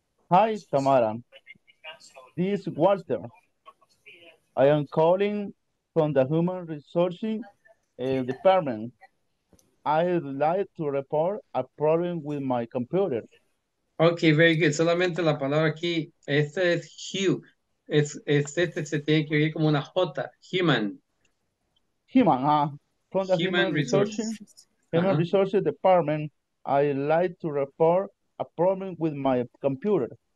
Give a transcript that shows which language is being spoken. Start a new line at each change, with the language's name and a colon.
English: Hi, Tamara. This is Walter. I am calling from the Human Resources Department. I'd like to report a problem with my computer. Okay, very good.
Spanish: Solamente la palabra aquí, este es Hugh. Este se tiene que oír como una J, human.
English: Human, from the Human Resources Department, I'd like to report a problem with my computer.